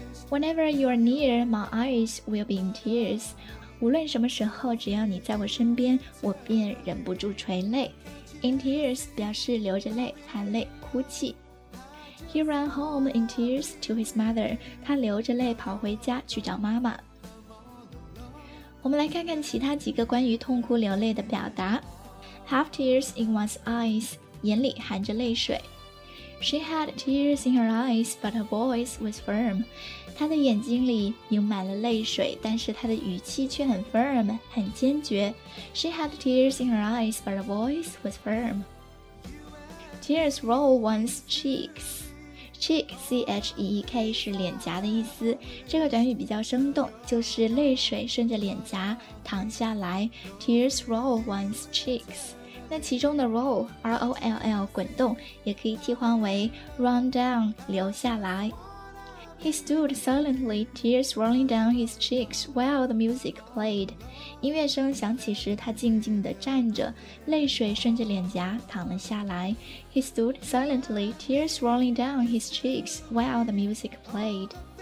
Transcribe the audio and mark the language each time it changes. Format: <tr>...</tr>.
<en>Whenever you are near, my eyes will be in tears.</en> <zh>无论什么时候，只要你在我身边，我便忍不住垂泪。 In tears 表示流着泪、含泪、哭泣。</zh> <en>He ran home in tears to his mother.</en> <zh>他流着泪跑回家去找妈妈。我们来看看其他几个关于痛哭流泪的表达。</zh> <en>Have tears in one's eyes,</en> <zh>眼里含着泪水。</zh> <en>She had tears in her eyes, but her voice was firm.</en> <zh>她的眼睛里盈满了泪水，但是她的语气却很 firm, 很坚决。</zh> <en>She had tears in her eyes, but her voice was firm. Tears roll one's cheeks.</en> <zh>Cheek, C-H-E-E-K, 是脸颊的意思。这个短语比较生动，就是泪水顺着脸颊淌下来。</zh> <en>Tears roll one's cheeks.</en> <zh>那其中的 roll, R-O-L-L, 滚动也可以替换为 run down, 流下来。</zh> <en>He stood silently, tears rolling down his cheeks while the music played.</en> <zh>音乐声响起时他静静地站着泪水顺着脸颊淌了下来。</zh> <en>He stood silently, tears rolling down his cheeks while the music played.</en>